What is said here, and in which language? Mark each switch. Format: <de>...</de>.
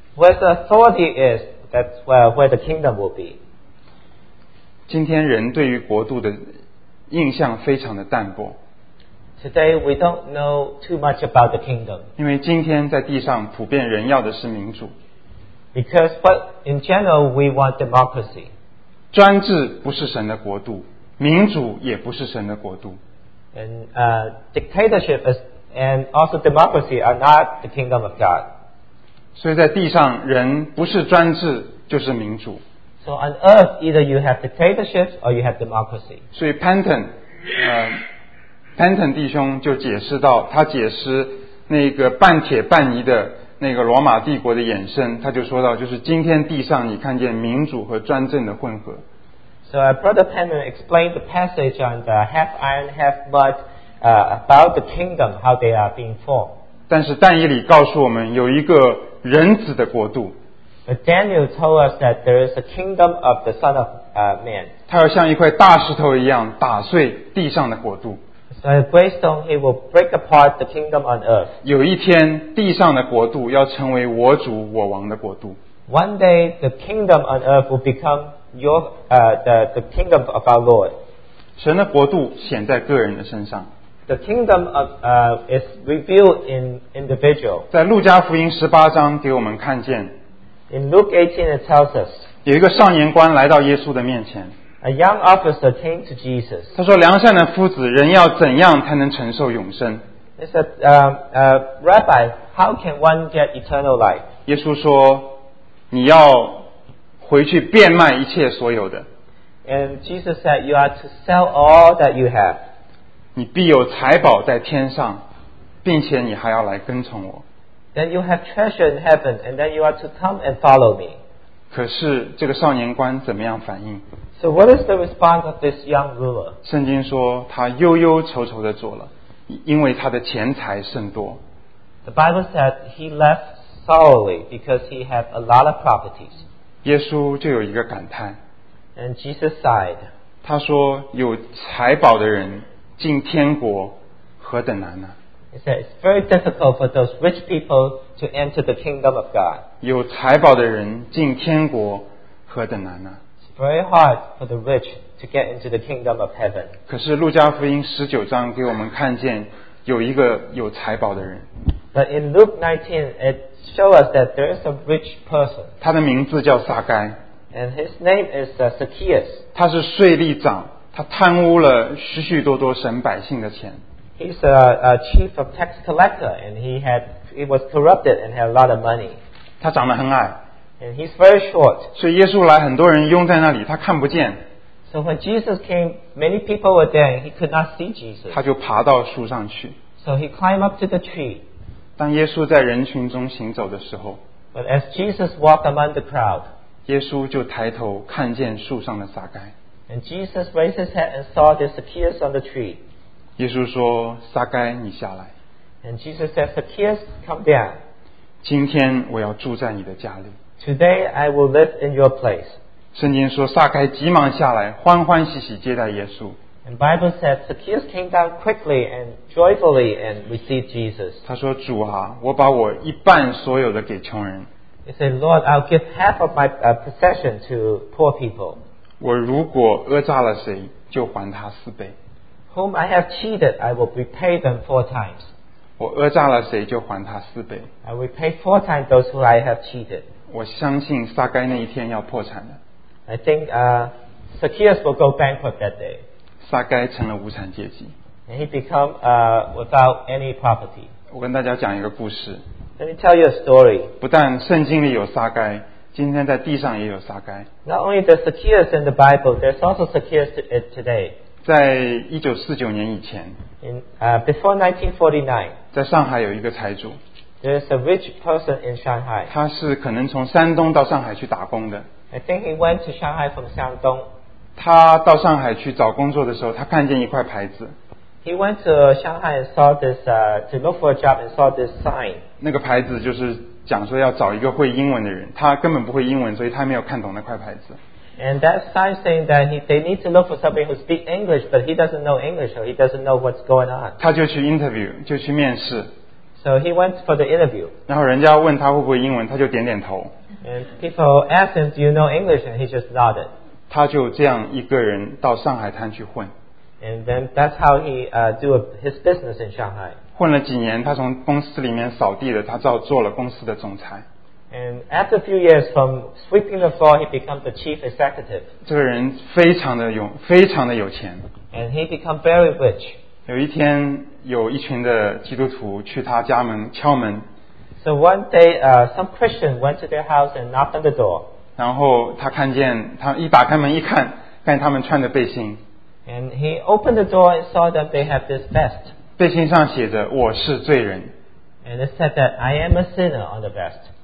<en>Where the authority is, that's where the kingdom will be.</en> <zh>今天人对于国度的印象非常的淡薄。</zh> <en>Today we don't know too much about the kingdom.</en> <zh>因为今天在地上普遍人要的是民主。</zh> <en>Because what in general we want democracy.</en> <zh>专制不是神的国度，民主也不是神的国度。</zh> <en>And dictatorship is, and also democracy are not the kingdom of God.</en> <zh>所以在地上人不是专制就是民主。</zh> <en>So on earth either you have dictatorship or you have democracy.</en> <zh>所以 Penton 弟兄就解释到，他解释那个半铁半泥的那个罗马帝国的衍生，他就说到，就是今天地上你看见民主和专政的混合。</zh> <en>So Brother Penner explained the passage on the half iron, half mud about the kingdom, how they are being formed.</en> <zh>但是但以理告诉我们有一个人子的国度。</zh> <en>But Daniel told us that there is a kingdom of the Son of Man.</en> <zh>他要像一块大石头一样打碎地上的国度。</zh> <en>So a great stone, he will break apart the kingdom on earth.</en> <zh>有一天地上的国度要成为我主我王的国度。</zh> <en>One day the kingdom on earth will become the kingdom of our Lord.</en> <zh>神的国度显在个人的身上。</zh> <en>The kingdom of is revealed in individual.</en> <zh>在路加福音十八章给我们看见。</zh> <en>In Luke 18 it tells us.</en> <zh>有一个少年官来到耶稣的面前。</zh> <en>A young officer came to Jesus.</en> <zh>他说，良善的夫子，人要怎样才能承受永生？</zh> <en>He said, Rabbi, how can one get eternal life?</en> <zh>耶稣说，你要回去变卖一切所有的。</zh> <en>And Jesus said, you are to sell all that you have.</en> <zh>你必有财宝在天上，并且你还要来跟从我。</zh> <en>Then you have treasure in heaven, and then you are to come and follow me.</en> <zh>可是这个少年官怎么样反应？</zh> <en>So what is the response of this young ruler?</en> <zh>圣经说，他忧忧愁愁地坐了，因为他的钱财甚多。</zh> <en>The Bible said he left sorrowly because he had a lot of properties.</en> <zh>耶稣就有一个感叹。</zh> <en>And Jesus sighed.</en> <zh>他说，有财宝的人进天国何等难呢？</zh> <en>He said it's very difficult for those rich people to enter the kingdom of God.</en> <zh>有财宝的人进天国何等难呢？</zh> <en>It's very hard for the rich to get into the kingdom of heaven.</en> <zh>可是路加福音十九章给我们看见有一个有财宝的人。</zh> <en>But in Luke 19, it shows us that there is a rich person.</en> <zh>他的名字叫撒该。</zh> <en>And his name is Zacchaeus.</en> <zh>他是税吏长，他贪污了许许多多神百姓的钱。</zh> <en>He's a chief of tax collector, and he was corrupted and had a lot of money.</en> <zh>他长得很矮。</zh> <en>And he's very short.</en> <zh>所以耶稣来，很多人拥在那里，他看不见。</zh> <en>So when Jesus came, many people were there, and he could not see Jesus.</en> <zh>他就爬到树上去。</zh> <en>So he climbed up to the tree.</en> <zh>当耶稣在人群中行走的时候，</zh> <en>But as Jesus walked among the crowd,</en> <zh>耶稣就抬头看见树上的撒该。</zh> <en>And Jesus raised his head and saw the Zacchaeus on the tree.</en> <zh>耶稣说，撒该，你下来。</zh> <en>And Jesus said, Zacchaeus, come down.</en> <zh>今天我要住在你的家里。</zh> <en>Today I will live in your place.</en> <zh>圣经说撒该急忙下来，欢欢喜喜接待耶稣。</zh> <en>And Bible says Zacchaeus came down quickly and joyfully and received Jesus.</en> <zh>他说，主啊，我把我一半所有的给穷人。</zh> <en>He said, Lord, I'll give half of my possession to poor people.</en> <zh>我如果讹诈了谁，就还他四倍。</zh> <en>Whom I have cheated, I will repay them four times.</en> <zh>我讹诈了谁，就还他四倍。</zh> <en>I will repay four times those who I have cheated.</en> <zh>我相信撒该那一天要破产的。</zh> <en>I think Zacchaeus will go bankrupt that day.</en> <zh>撒该成了无产阶级。</zh> <en>And he become without any property.</en> <zh>我跟大家讲一个故事。</zh> <en>Let me tell you a story.</en> <zh>不但圣经里有撒该，今天在地上也有撒该。</zh> <en>Not only the Zacchaeus in the Bible, there's also Zacchaeus today.</en> <zh>在1949年以前。</zh> <en>Before 1949.</en> <zh>在上海有一个财主。</zh> <en>There is a rich person in Shanghai.</en> <zh>他是可能从山东到上海去打工的。</zh> <en>I think he went to Shanghai from 山东。</en> <zh>他到上海去找工作的时候，他看见一块牌子。</zh> <en>He went to Shanghai and saw this, to look for a job and saw this sign.</en> <zh>那个牌子就是讲说要找一个会英文的人，他根本不会英文，所以他没有看懂那块牌子。</zh> <en>And that sign saying that they need to look for somebody who speaks English, but he doesn't know English or he doesn't know what's going on.</en> <zh>他就去 interview, 就去面试。</zh> <en>So he went for the interview.</en> <zh>然后人家问他会不会英文，他就点点头。</zh> <en>And people asked him, "Do you know English?" And he just nodded.</en> <zh>他就这样一个人到上海滩去混。</zh> <en>And then that's how he do his business in Shanghai.</en> <zh>混了几年，他从公司里面扫地的，他就做了公司的总裁。</zh> <en>And after a few years from sweeping the floor, he becomes the chief executive.</en> <zh>这个人非常的有，非常的有钱。</zh> <en>And he become very rich.</en> <zh>有一天。有一群的基督徒去他家门敲门。</zh> <en>So one day, some Christian went to their house and knocked on the door.</en> <zh>然后他看见，他一打开门一看，看他们穿的背心。</zh> <en>And he opened the door and saw that they have this vest.</en> <zh>背心上写着，我是罪人。</zh> <en>And it said that I am a sinner on the vest.</en>